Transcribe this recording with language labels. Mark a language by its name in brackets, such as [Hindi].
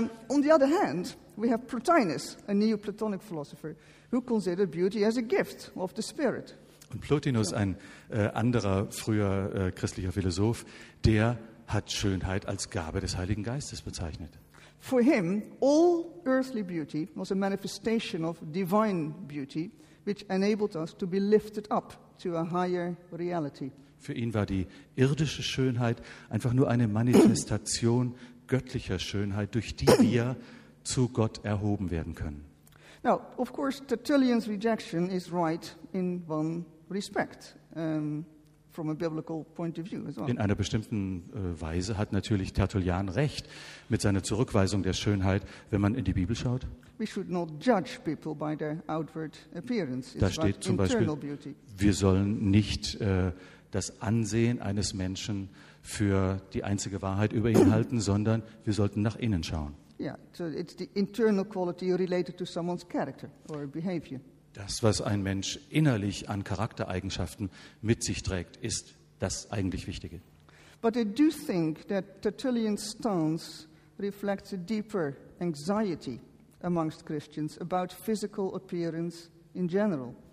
[English] On the other hand, we have Plotinus, a Neoplatonic philosopher, who considered beauty as a gift of the spirit. [German] Und Plotinus, ein anderer früher christlicher Philosoph, der hat Schönheit als Gabe des Heiligen Geistes bezeichnet. [English] For him, all earthly beauty was a manifestation of divine beauty, which enabled us to be lifted up to a higher reality. [German] Für ihn war die irdische Schönheit einfach nur eine Manifestation göttlicher Schönheit, durch die wir zu Gott erhoben werden können. [English] Now, of course, Tertullian's rejection is right in one respect, from a biblical point of view as well. [German] In einer bestimmten Weise hat natürlich Tertullian recht mit seiner Zurückweisung der Schönheit, wenn man in die Bibel schaut. [English] We should not judge people by their outward appearance. [German] Da steht zum Beispiel, wir sollen nicht das Ansehen eines Menschen für die einzige Wahrheit über ihn halten, sondern wir sollten nach innen schauen. [English] Yeah, so it's the internal quality related to someone's character or behavior. [German] Das, was ein Mensch innerlich an Charaktereigenschaften mit sich trägt, ist das eigentlich Wichtige. [English] But I do think that Tertullian's stance reflects a deeper anxiety amongst Christians about physical appearance in general.